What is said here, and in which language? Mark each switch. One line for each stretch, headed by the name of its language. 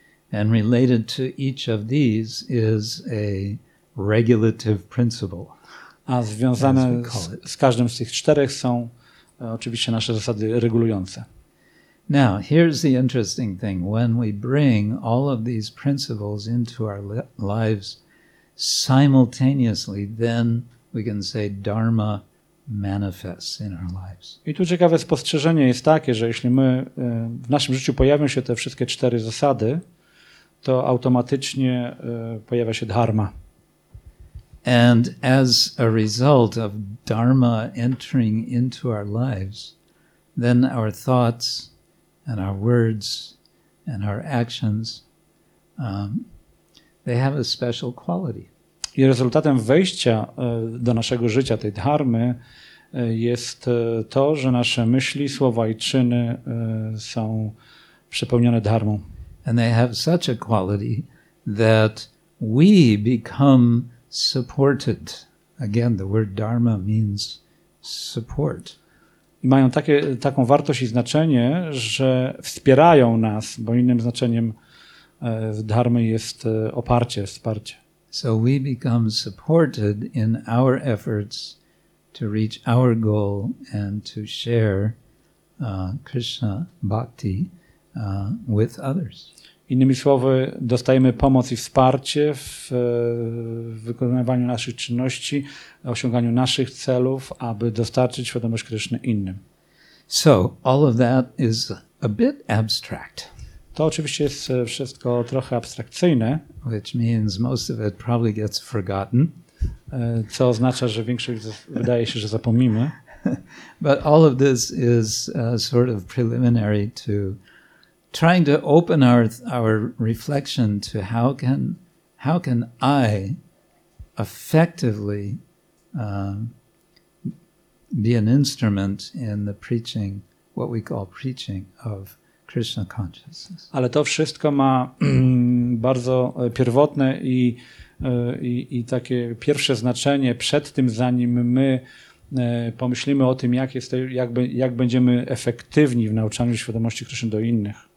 English: And related to each of these is a regulative principle.
Polish: A związane z każdym z tych czterech są oczywiście nasze zasady regulujące.
English: Now, here's the interesting thing. When we bring all of these principles into our lives simultaneously, then we can say dharma manifests in our lives.
Polish: I tu ciekawe spostrzeżenie jest takie, że jeśli my w naszym życiu pojawią się te wszystkie cztery zasady, to automatycznie pojawia się dharma.
English: And as a result of dharma entering into our lives, then our thoughts and our words and our actions, they have a special quality.
Polish: I rezultatem wejścia do naszego życia, tej dharmy, jest to, że nasze myśli, słowa i czyny są przepełnione dharmą.
English: And they have such a quality that we become supported. Again, the word dharma means support.
Polish: I mają taką wartość i znaczenie, że wspierają nas, bo innym znaczeniem dharmy jest oparcie, wsparcie.
English: So we become supported in our efforts to reach our goal and to share Krishna bhakti with others.
Polish: Innymi słowy, dostajemy pomoc i wsparcie w wykonywaniu naszych czynności, osiąganiu naszych celów, aby dostarczyć świadomość Kryszny innym.
English: So, all of that is a bit abstract.
Polish: To oczywiście jest wszystko trochę abstrakcyjne,
English: which means most of it probably gets forgotten.
Polish: Co oznacza, że większość wydaje się, że zapomnimy.
English: But all of this is sort of preliminary to trying to open our reflection to how can I effectively be an instrument in the preaching, what we call preaching of Krishna consciousness.
Polish: Ale to wszystko ma bardzo pierwotne i takie pierwsze znaczenie przed tym, zanim my pomyślimy o tym, jak będziemy efektywni w nauczaniu świadomości Krishna do innych.